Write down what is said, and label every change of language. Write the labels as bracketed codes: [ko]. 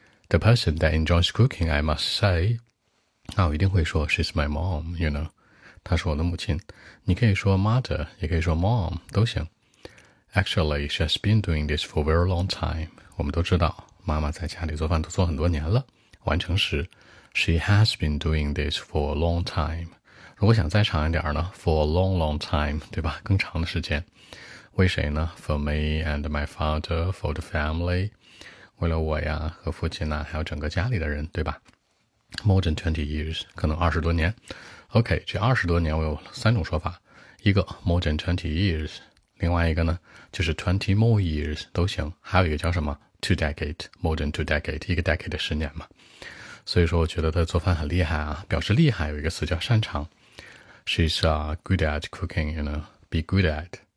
[en] The person that enjoys cooking, I must say, [zh] 那我一定会说 [en] she's my mom, you know, [zh] 她是我的母亲。你可以说 mother, 也可以说 mom, 都行。 [en] Actually, she has been doing this for a very long time. [zh] 我们都知道，妈妈在家里做饭都做很多年了。完成时 [en] she has been doing this for a long time. [zh] 如果想再长一点呢 [en] for a long, long time, [zh] 对吧，更长的时间。为谁呢？ [en] For me and my father, for the family. [zh] 为了我呀，和父亲呢，还有整个家里的人，对吧？ [en] More than 20 years, [zh] 可能20多年。 OK, 这20多年我有三种说法。一个 [en] more than 20 years, [zh] 另外一个呢，就是 [en] 20 more years [zh] 都行。还有一个叫什么 ? [en] 2 decades, more than 2 decades, [zh] 一个 decade 的十年嘛。所以说我觉得他做饭很厉害啊，表示厉害有一个词叫擅长。 [en] She's good at cooking, you know, be good at.